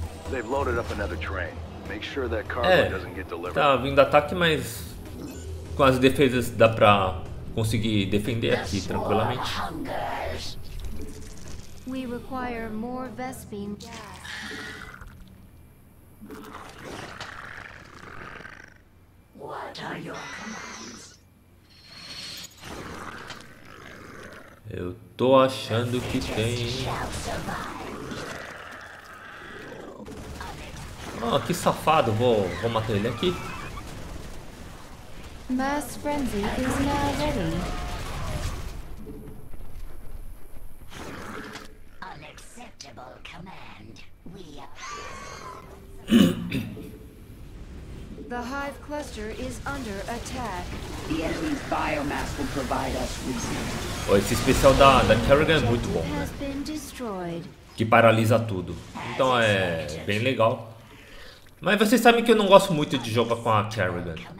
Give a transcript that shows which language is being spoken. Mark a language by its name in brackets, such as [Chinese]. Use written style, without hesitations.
[English] They've loaded up another train. Make sure that cargo doesn't get delivered. [Portuguese] Tá vindo ataque, mas com as defesas dá pra conseguir defender aqui tranquilamente. [English] We require more Vespine gas. What are your commands? [Portuguese] Eu tô achando que tem. Oh, que safado, vou matar ele aqui. [English] Mass Frenzy is now ready. Unacceptable command. We appear. The hive cluster is under attack. The enemy's biomass will provide us resistance. [Portuguese] Oh, esse especial da Kerrigan é muito bom, né? Que paralisa tudo. Então é bem legal. Mas vocês sabem que eu não gosto muito de jogar com a Kerrigan.